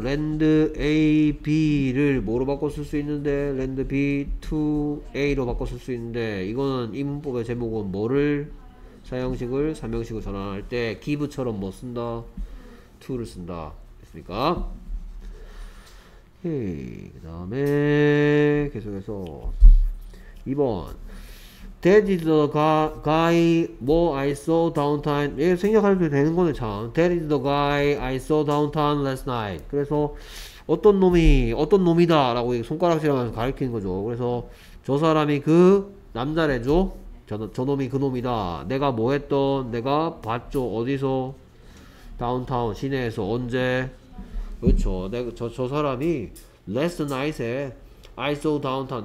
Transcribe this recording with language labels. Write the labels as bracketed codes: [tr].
[ko] lend A, B를 뭐로 바꿔 쓸 수 있는데 lend B to A로 바꿔 쓸 수 있는데 이거는 이 문법의 제목은 뭐를 사형식을 3형식으로 전환할 때 give처럼 뭐 쓴다? to를 쓴다. 됐습니까? 오케이. 그 다음에 계속해서 2번 [en] That is the guy I saw downtown. [ko] 예, 생략하셔도 되는 거네, 참. [en] That is the guy I saw downtown last night. [ko] 그래서, 어떤 놈이다. 라고 손가락질 하면서 가르치는 거죠. 그래서, 저 사람이 그 남자래죠? 저 놈이 그 놈이다. 내가 뭐 했던, 내가 봤죠. 어디서? 다운타운, 시내에서. 언제? 그렇죠. 저 사람이 last night에 [en] I saw downtown.